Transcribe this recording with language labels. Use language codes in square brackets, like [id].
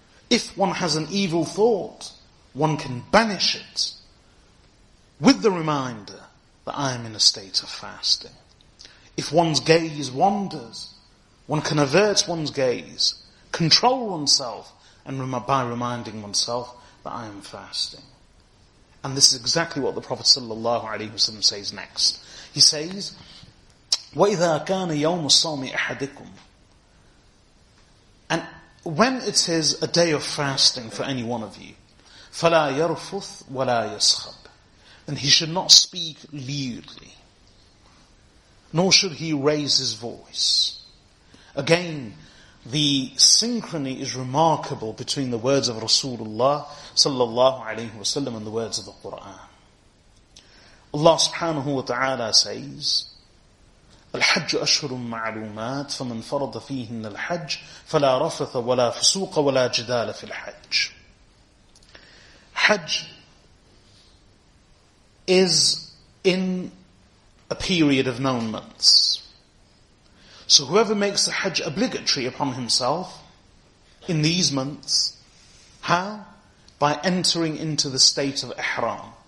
[en] If one has an evil thought, one can banish it with the reminder that I am in a state of fasting. If one's gaze wanders, one can avert one's gaze, control oneself, and by reminding oneself that I am fasting. And this is exactly what the Prophet sallallahu alaihi wasallam says next. He says, [ar] وَإِذَا كَانَ يَوْمُ الصَّوْمِ أَحَدِكُمْ. [en] And when it is a day of fasting for any one of you, [ar] فَلَا يَرْفُثْ وَلَا يَسْخَبْ. [en] Then he should not speak lewdly. nor should he raise his voice. Again, the synchrony is remarkable between the words of Rasulullah sallallahu alayhi wa sallam and the words of the Qur'an. Allah subhanahu wa ta'ala says, [ar] الْحَجُّ أَشْهُرٌ مَعْلُومَاتٌ فَمَنْ فَرَضَ فِيهِنَّ الْحَجُّ فَلَا رَفَثَ وَلَا فُسُوقَ وَلَا جِدَالَ فِي الْحَجُّ. [en] Hajj is in a period of 9 months. So whoever makes the Hajj obligatory upon himself in these months, how? By entering into the state of Ihram.